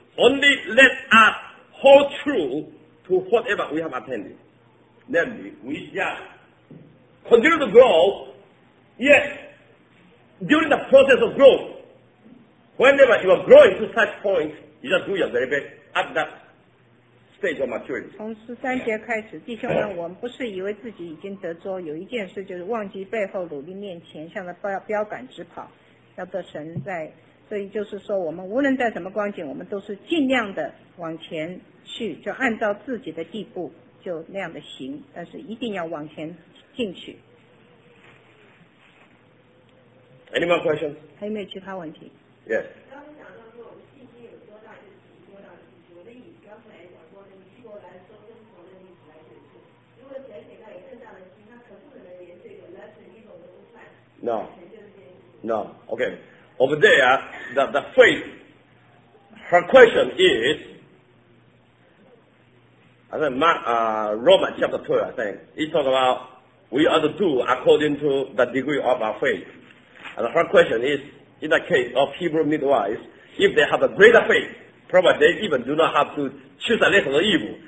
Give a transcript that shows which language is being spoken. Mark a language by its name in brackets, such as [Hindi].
[English] Only let us hold true to whatever we have attained. Namely, we just continue to grow, yet during the process of growth, whenever you are growing to such point, you just do your very best at that stage of maturity. [Chinese] 从十三节开始，弟兄们，我们不是以为自己已经得着，有一件事就是忘记背后，努力面前，向着标杆直跑，要得神在。所以就是说，我们无论在什么光景，我们都是尽量的往前去，就按照自己的地步。就那样的行，但是一定要往前进去。 [English] Any more questions? [Chinese] 还有没有其他问题？ [English] Yes. [Chinese] 刚刚讲到说，我们刚才我说的，你去过兰州跟中国的历史来解释，如果填写到有更大的题，那可不可能连这个 lesson 一种都不算？ [English] No. No. Okay. Over there, the faith, her question is,I think Romans chapter 2, I think. He talked about we are to do according to the degree of our faith. And her question is, in the case of Hebrew midwives, if they have a greater faith, probably they even do not have to choose a lesser evil.